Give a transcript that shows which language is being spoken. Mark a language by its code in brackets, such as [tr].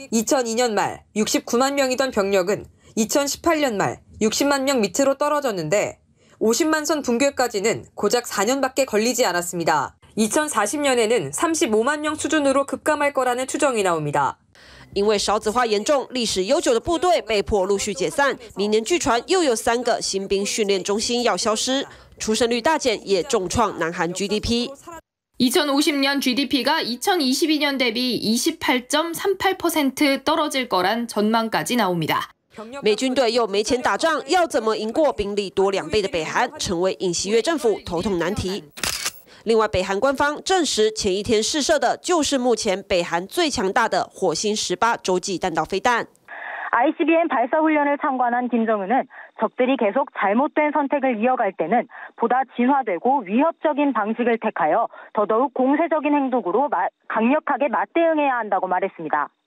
[ko] 2002년말69만명이던병력은2018년말60만명밑으로떨어졌는데50만선붕괴까지는고작4년밖에걸리지않았습니다。 2040년에는35만명수준으로급감할거라는추정이나옵니다。 [zh] 因为少子化严重，历史悠久的部队被迫陆续解散，明年据传又有3个新兵训练中心要消失，出生率大减也重创南韩 GDP。 [ko] 2050년 GDP가 2022년 대비 28.38% 떨어질거란 전망까지 나옵니다。 [zh] 美军队又没钱打仗，要怎么赢过兵力多2倍的北韩，成为尹锡悦政府头痛难题。另外，北韩官方证实，前一天试射的就是目前北韩最强大的火星18洲际弹道飞弹。 [ko] ICBM 발사훈련을참관한김정은은적들이계속잘못된선택을이어갈때는보다진화되고위협적인방식을택하여더더욱공세적인행동으로강력하게맞대응해야한다고말했습니다。